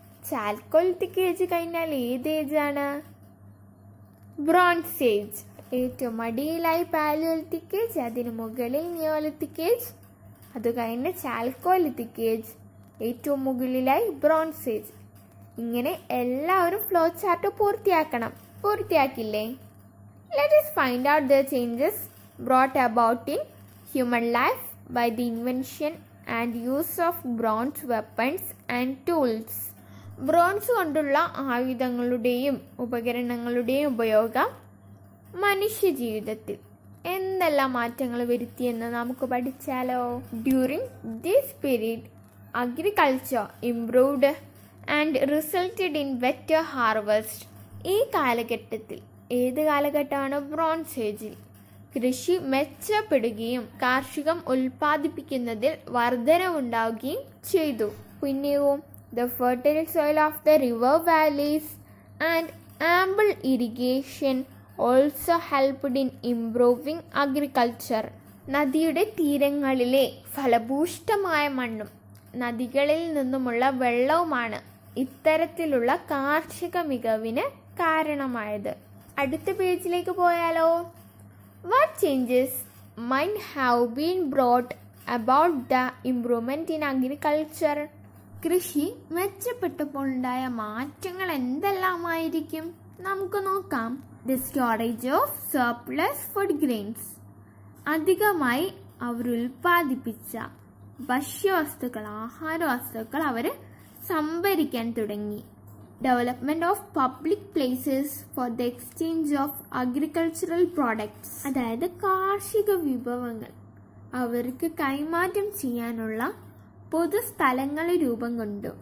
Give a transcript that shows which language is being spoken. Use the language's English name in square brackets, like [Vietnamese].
[Malayalam] Chalcolithic age കഴിഞ്ഞാൽ ഏത് age ആണ്? Bronze age. ഏറ്റവും അടിയിലായി പാലിയോലിത്തിക് ഏജ്, അതിന് മുകളിൽ നിയോലിത്തിക് ഏജ്, അത് കഴിഞ്ഞ് ചാൽക്കോലിത്തിക് ഏജ്, ഏറ്റവും മുകളിലായി ബ്രോൺസ് ഏജ്. ഇങ്ങനെ എല്ലാവരും ഫ്ലോ ചാർട്ട് പൂർത്തിയാക്കണം. പൂർത്തിയാക്കില്ലേ? [English] Let us find out the changes brought about in human life by the invention and use of bronze weapons and tools. [Malayalam] Bronze കൊണ്ടുള്ള ആയുധങ്ങളുടെയും ഉപകരണങ്ങളുടെയും ഉപയോഗം മനുഷ്യ ജീവിതത്തിൽ എന്തെല്ലാം മാറ്റങ്ങൾ വരുത്തിയെന്ന് നമുക്ക് പഠിച്ചാലോ? [English] During this period, agriculture improved and resulted in better harvest. [Malayalam] ഈ കാലഘട്ടത്തിൽ, ഏത് കാലഘട്ടമാണ്? ബ്രോൺസ് ഏജിൽ കൃഷി മെച്ചപ്പെടുകയും കാർഷികം ഉൽപ്പാദിപ്പിക്കുന്നതിൽ വർധനവുണ്ടാവുകയും ചെയ്തു. പിന്നെയും [English] The fertile soil of the river valleys and ample irrigation also helped in improving agriculture. [Malayalam] നദിയുടെ തീരങ്ങളിലെ ഫലഭൂഷ്ടമായ മണ്ണും നദികളിൽ നിന്നുമുള്ള വെള്ളവുമാണ് ഇത്തരത്തിലുള്ള കാർഷിക മികവിന് കാരണമായത്. അടുത്ത പേജിലേക്ക് പോയാലോ. [English] What changes might have been brought about the improvement in agriculture? [Malayalam] കൃഷി മെച്ചപ്പെട്ടപ്പോഴുണ്ടായ മാറ്റങ്ങൾ എന്തെല്ലാമായിരിക്കും നമുക്ക് നോക്കാം. [English] The storage of surplus food grains. [Malayalam] അധികമായി അവർ ഉൽപ്പാദിപ്പിച്ച ഭക്ഷ്യവസ്തുക്കൾ ആഹാര വസ്തുക്കൾ അവർ സംഭരിക്കാൻ തുടങ്ങി. [English] development of public places for the exchange of agricultural products, [Malayalam] അതായത് കാർഷിക വിഭവങ്ങൾ അവർക്ക് കൈമാറ്റം ചെയ്യാനുള്ള പൊതു സ്ഥലങ്ങൾ രൂപം കൊണ്ടു.